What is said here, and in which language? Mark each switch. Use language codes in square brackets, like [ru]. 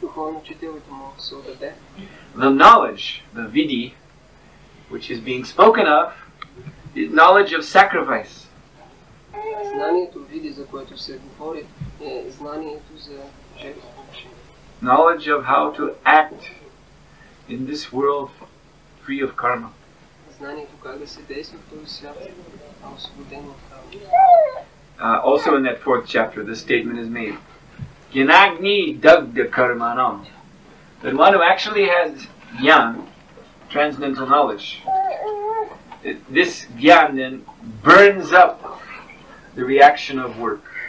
[en] The knowledge, the vidi, which is being spoken of, is knowledge of sacrifice. [bg] Знанието види, за което се говори, е знанието за жертвоприношение. [en] Knowledge of how to act in this world free of karma. [bg] Знанието как да се действа в този свят, освободен от карма. [en] Also in that fourth chapter, the statement is made. [sa] Gyanagni dagda karmanam. [en] That one who actually has jnana, transcendental knowledge, this jnana then burns up the reaction of work.